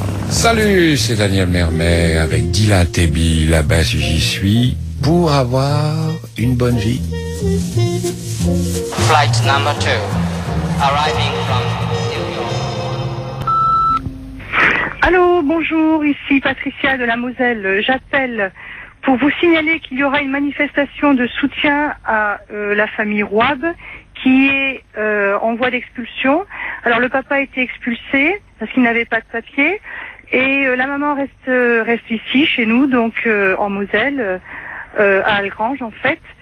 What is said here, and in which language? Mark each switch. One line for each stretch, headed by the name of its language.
French: Salut, c'est Daniel Mermet avec Dylan Tebi, là-bas j'y suis, pour avoir une bonne vie.
English: Flight number 2, arriving from New York.
French: Allô, bonjour, ici Patricia de la Moselle. J'appelle pour vous signaler qu'il y aura une manifestation de soutien à la famille Rouab, qui est en voie d'expulsion. Alors le papa a été expulsé parce qu'il n'avait pas de papier. Et la maman reste ici chez nous, donc en Moselle, à Algrange en fait.